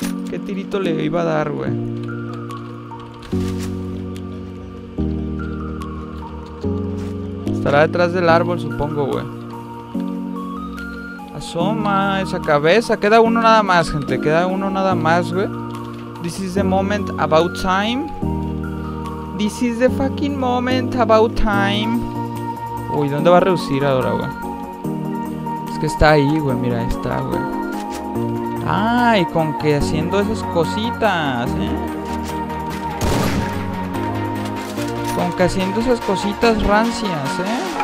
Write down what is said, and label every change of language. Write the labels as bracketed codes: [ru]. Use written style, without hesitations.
[es] ¿Qué tirito le iba a dar, güey? Estará detrás del árbol, supongo, güey. Asoma esa cabeza. Queda uno nada más, gente. Queda uno nada más, güey. [en] This is the moment about time. This is the fucking moment about time. [es] Uy, ¿dónde va a reducir ahora, güey? Es que está ahí, güey. Mira, ahí está, güey. Ay, con que haciendo esas cositas, ¿eh? Con que haciendo esas cositas rancias, ¿eh?